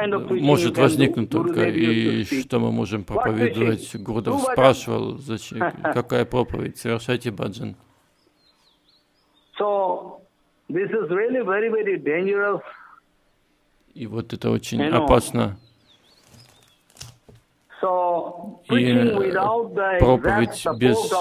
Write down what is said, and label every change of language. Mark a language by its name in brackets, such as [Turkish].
[Russian] Может возникнуть только, и что мы можем проповедовать? Гурудев спрашивал, зачем? Какая проповедь? Совершайте баджан. [English] So, this is really very, very dangerous. [Russian] И вот это очень опасно. So, и проповедь без